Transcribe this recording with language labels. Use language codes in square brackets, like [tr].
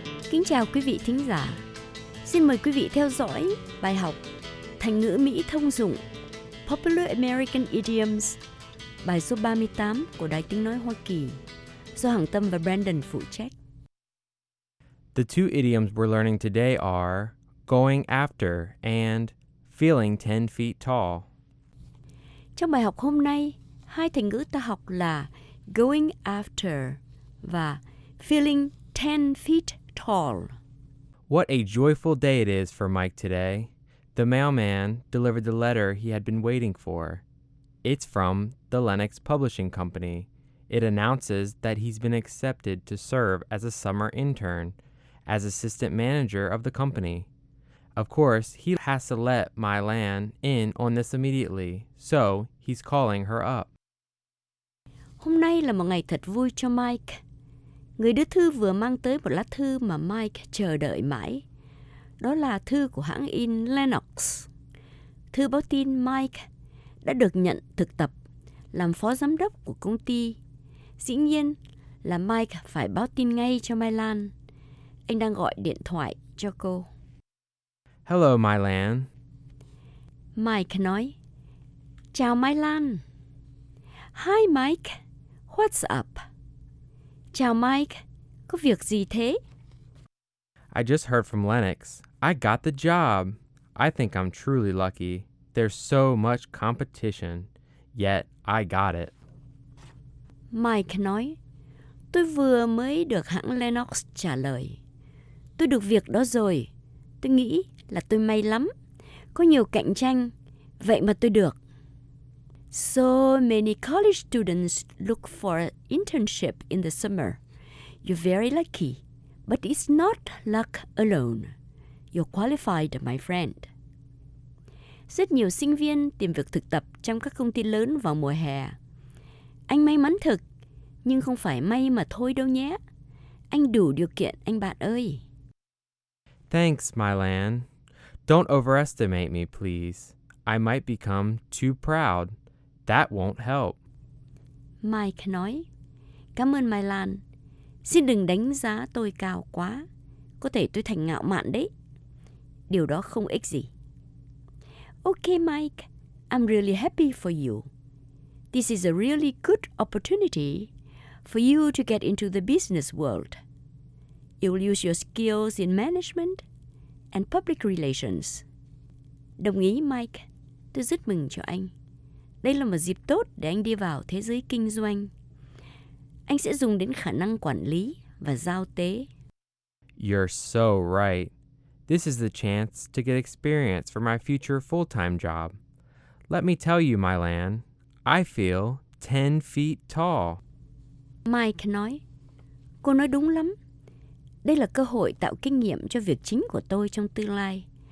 [vi] Kính chào quý vị thính giả. Xin mời quý vị theo dõi bài học Thành ngữ Mỹ thông dụng Popular American Idioms, bài số 38 của Đài Tiếng Nói Hoa Kỳ, do Hằng Tâm và Brandon phụ trách. [en] The two idioms we're learning today are going after and feeling 10 feet tall. [vi] Trong bài học hôm nay, hai thành ngữ ta học là going after và feeling 10 feet tall. [en] What a joyful day it is for Mike today. The mailman delivered the letter he had been waiting for. It's from the Lennox Publishing Company. It announces that he's been accepted to serve as a summer intern, as assistant manager of the company. Of course, he has to let Mai Lan in on this immediately, so he's calling her up. [vi] Hôm nay là một ngày thật vui cho Mike. Người đưa thư vừa mang tới một lá thư mà Mike chờ đợi mãi. Đó là thư của hãng in Lennox. Thư báo tin Mike đã được nhận thực tập làm phó giám đốc của công ty. Dĩ nhiên là Mike phải báo tin ngay cho Mai Lan. Anh đang gọi điện thoại cho cô. [en] Hello, Mai Lan. [vi] Mike nói, chào Mai Lan. [en] Hi, Mike. What's up? [vi] Chào Mike. Có việc gì thế? [en] I just heard from Lennox. I got the job. I think I'm truly lucky. There's so much competition, yet I got it. [vi] Mike nói, tôi vừa mới được hãng Lennox trả lời. Tôi được việc đó rồi. Tôi nghĩ là tôi may lắm. Có nhiều cạnh tranh, vậy mà tôi được. [en] So many college students look for an internship in the summer. You're very lucky, but it's not luck alone. You're qualified, my friend. [vi] Rất nhiều sinh viên tìm việc thực tập trong các công ty lớn vào mùa hè. Anh may mắn thực, nhưng không phải may mà thôi đâu nhé. Anh đủ điều kiện, anh bạn ơi. [en] Thanks, Mai Lan. Don't overestimate me, please. I might become too proud. That won't help. [vi] Mike nói, cảm ơn Mai Lan. Xin đừng đánh giá tôi cao quá. Có thể tôi thành ngạo mạn đấy. Điều đó không ích gì. [en] Okay, Mike. I'm really happy for you. This is a really good opportunity for you to get into the business world. You'll use your skills in management and public relations. [vi] Đồng ý, Mike. Tôi rất mừng cho anh. Đây là một dịp tốt để anh đi vào thế giới kinh doanh. Anh sẽ dùng đến khả năng quản lý và giao tế. [en] You're so right. This is the chance to get experience for my future full-time job. Let me tell you, Mylan, I feel 10 feet tall. [vi] Mike nói, cô nói đúng lắm. Đây là cơ hội tạo kinh nghiệm cho việc chính của tôi trong tương lai.